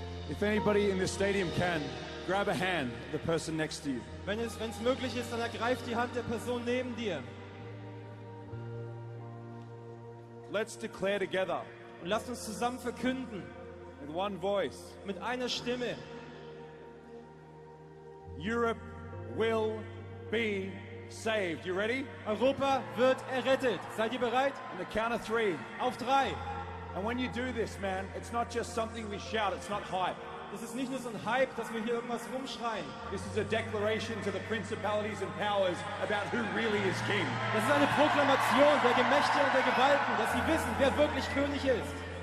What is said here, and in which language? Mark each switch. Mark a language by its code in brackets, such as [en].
[en] If anybody in this stadium can, grab a hand, the person next to you. [de] Wenn es möglich ist, dann ergreif die Hand der Person neben dir. [en] Let's declare together. [de] Und lasst uns zusammen verkünden. [en] With one voice. [de] Mit einer Stimme. [en] Europe will be saved. You ready? [de] Europa wird errettet. Seid ihr bereit? [en] On the count of three. [de] Auf drei. [en] And when you do this, man, it's not just something we shout, it's not hype. [de] Das ist nicht nur so ein Hype, dass wir hier irgendwas rumschreien. [en] This is a declaration to the principalities and powers about who really is king. [de] Das ist eine Proklamation der Gemächte und der Gewalten, dass sie wissen, wer wirklich König ist.